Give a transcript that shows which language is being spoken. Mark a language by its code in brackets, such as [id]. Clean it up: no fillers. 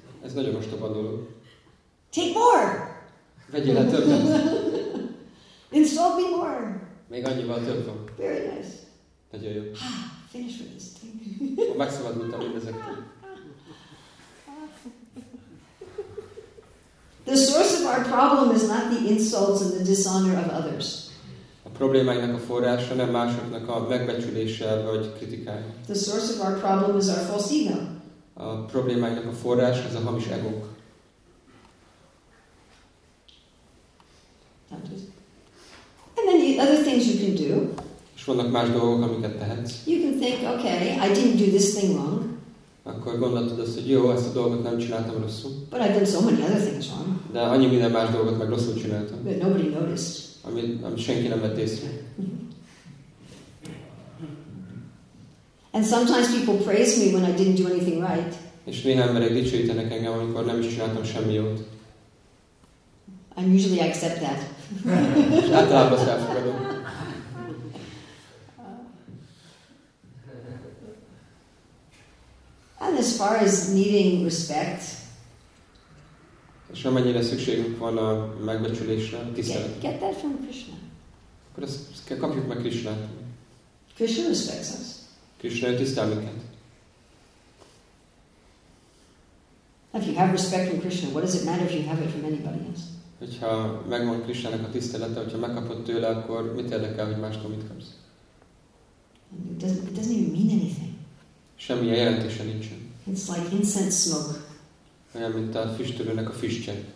[hu] Ez nagyon ostoba dolog. [en] Take more! [hu] Vegyél el többet. [en] Insult me more! [hu] Még annyival több van. [en] Very nice. [hu] Nagyon jó. [en] Finish with this thing. [hu] Megszabadultam mindezektől. [en] The source of our problem is not the insults and the dishonor of others. [hu] A problémáinknak a forrása nem másoknak a megbecsülése vagy kritikája. [en] The source of our problem is our false ego. [hu] A problémáinknak a forrása az a hamis egók. [en] And then the other things you can do. [hu] És vannak más dolgok, amiket tehetsz. [en] You can think, okay, I didn't do this thing wrong. [hu] Akkor gondoltad azt, hogy jó, ezt a dolgot nem csináltam rosszul. [en] But I've done so many other things wrong. [hu] De annyi minden más dolgot meg rosszul csináltam. [en] But nobody noticed. [hu] Amit senki nem vett észre. [en] And sometimes people praise me when I didn't do anything right. [hu] És néha emberek dicsőítenek engem, amikor nem is csináltam semmi jót. [en] And usually I accept that. [hu] Általában ezt elfogadom. [en] And as far as needing respect. [hu] És amennyire szükségünk van a megbecsülésre, tisztelet. [en] Get that from Krishna. [hu] Akkor ezt kapjuk meg Krishnát. [en] Krishna respects us. [hu] Krishna tisztel minket. [en] If you have respect from Krishna, what does it matter if you have it from anybody else? [hu] Hogyha megmond Krishnának a tisztelete, hogyha megkapod tőle, akkor mit érdekel, hogy mástól mit kapsz? [en] It doesn't even mean anything. [hu] Semmi jelentése nincsen. [en] It's like incense smoke. [hu] Olyan, mint a füstölőnek a füstje.